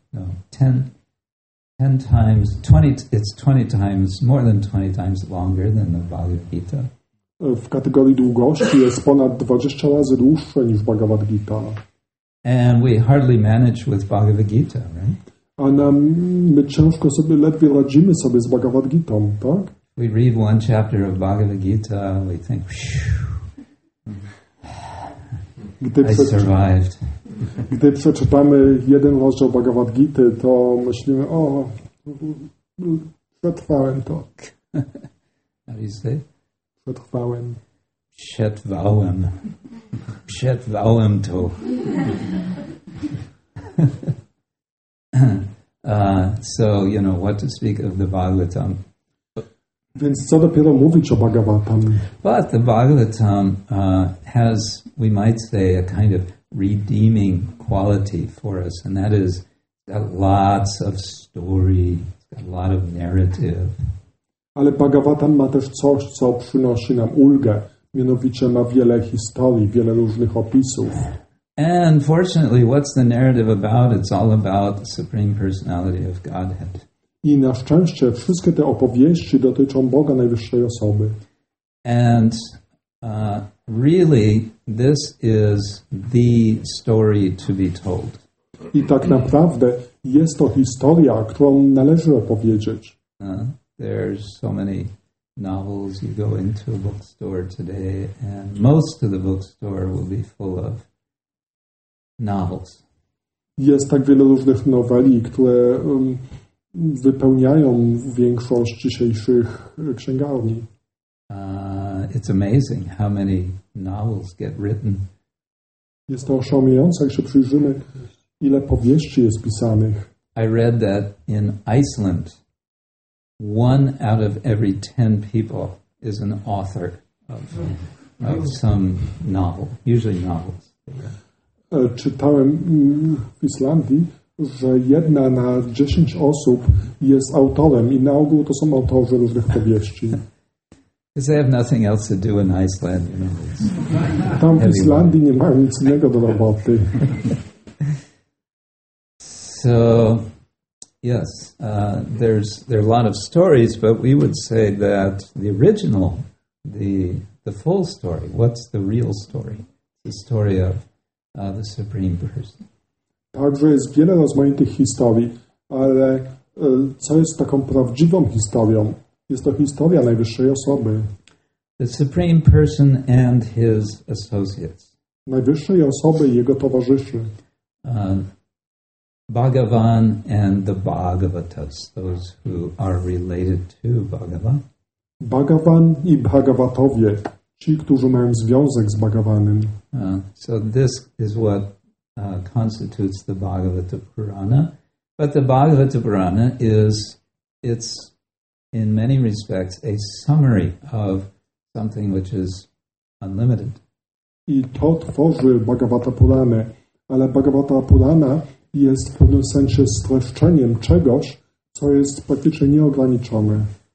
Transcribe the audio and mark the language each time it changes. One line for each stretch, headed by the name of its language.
English: No, 10 times 20. It's 20 times more than 20 times longer than the Bhagavad Gita.
Polish: W kategorii długości jest ponad 20 razy dłuższe niż Bhagavad Gita.
English: And we hardly manage with Bhagavad Gita, right?
Polish: A nam, my ciężko sobie, ledwie radzimy sobie z Bhagavad Gita, tak?
English: We read one chapter of Bhagavad Gita, we think, I survived.
Polish: Gdy przeczytamy jeden rozdział Bhagavad Gita, to myślimy, o, przetrwałem to.
English: How do you say?
Polish: Przetrwałem. Przetrwałem. Przetrwałem to.
English: So, you know, what to speak of the Bhagavatam.
Polish: Więc co dopiero mówić o Bhagavatam?
English: But the Bhagavatam has, we might say, a kind of redeeming quality for us, and that is got lots of story, it's got a lot of narrative.
Polish: Ale Bhagavatam ma też coś, co przynosi nam ulgę, mianowicie ma wiele historii, wiele różnych opisów.
English: And fortunately, what's the narrative about? It's all about the Supreme Personality of Godhead.
Polish: I na szczęście wszystkie te opowieści dotyczą Boga Najwyższej Osoby.
English: And really, this is the story to be told.
Polish: I tak naprawdę jest to historia, którą należy opowiedzieć.
English: There's so many novels. You go into a bookstore today, and most of the bookstore will be full of novels.
Polish: Jest tak wiele różnych noweli, które wypełniają większość dzisiejszych księgarni.
English: It's amazing how many novels get written.
Polish: Jest to oszałamiające, jak się przyjrzymy, ile powieści jest pisanych.
English: I read that in Iceland, one out of every 10 people is an author of some novel, usually novels.
Polish: Czytałem w Islandii, że jedna na 10 osób jest autorem i na ogół to są autorzy różnych powieści.
English: Because they have nothing else to do in Iceland, you know.
Polish: Tam w Islandii nie mają nic innego do roboty.
English: So, yes, there are a lot of stories, but we would say that the original, the the full story. What's the real story? The story of the Supreme Person.
Polish: Także jest wiele rozmaitych historii, ale co jest taką prawdziwą historią? Jest to historia najwyższej osoby.
English: The Supreme Person and his associates.
Polish: Najwyższej osoby i jego towarzyszy.
English: Bhagavan and the Bhagavatas, those who are related to Bhagavan.
Polish: Bhagavan i Bhagavatowie, ci, którzy mają związek z Bhagavanem.
English: So this is what constitutes the Bhagavata Purana. But the Bhagavata Purana is, it's in many respects, a summary of something which is unlimited.
Polish: I to tworzy Bhagavata Purana, ale Bhagavata Purana jest w pewnym sensie streszczeniem czegoś, co jest praktycznie nieograniczone.